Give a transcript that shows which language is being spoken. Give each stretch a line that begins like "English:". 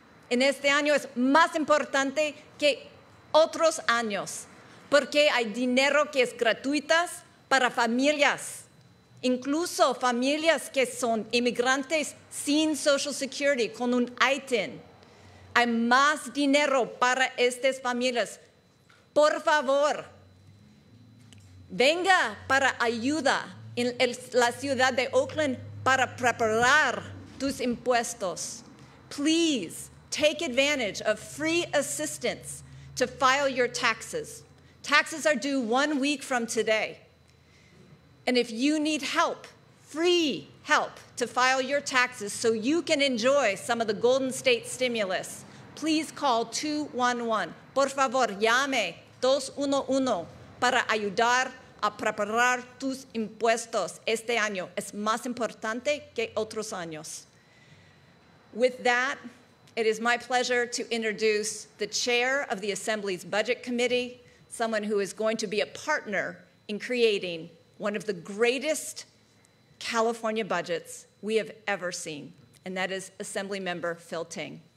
Spanish: En este año es más importante que otros años, porque hay dinero que es gratuitas para familias, incluso familias que son inmigrantes sin Social Security, con un ITIN. Hay más dinero para estas familias. Por favor, venga para ayuda en la ciudad de Oakland para preparar tus impuestos.
English: Please take advantage of free assistance to file your taxes. Taxes are due 1 week from today. And if you need help, free help to file your taxes so you can enjoy some of the Golden State stimulus, please call 211.
Spanish: Por favor, llame 211 para ayudar a preparar tus impuestos este año. Es más importante que otros años.
English: With that, it is my pleasure to introduce the chair of the Assembly's Budget Committee, someone who is going to be a partner in creating one of the greatest California budgets we have ever seen, and that is Assemblymember Phil Ting.